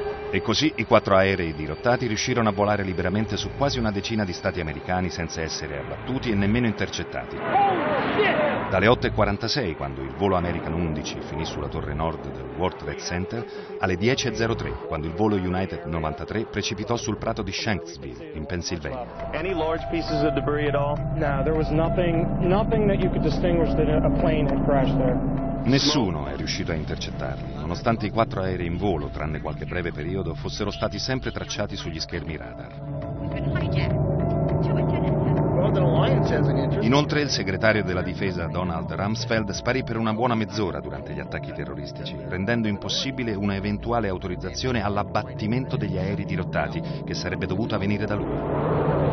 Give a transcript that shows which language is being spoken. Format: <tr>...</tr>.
<it>E così i 4 aerei dirottati riuscirono a volare liberamente su quasi una decina di stati americani senza essere abbattuti e nemmeno intercettati. Dalle 8.46, quando il volo American 11 finì sulla torre nord del World Trade Center, alle 10.03, quando il volo United 93 precipitò sul prato di Shanksville, in Pennsylvania.</it> <en>Any large pieces of debris at all? No, there was nothing that you could distinguish that a plane had crashed there.</en> <it>Nessuno è riuscito a intercettarli, nonostante i 4 aerei in volo, tranne qualche breve periodo, fossero stati sempre tracciati sugli schermi radar. Inoltre il segretario della difesa Donald Rumsfeld sparì per una buona mezz'ora durante gli attacchi terroristici, rendendo impossibile una eventuale autorizzazione all'abbattimento degli aerei dirottati, che sarebbe dovuta venire da lui.</it>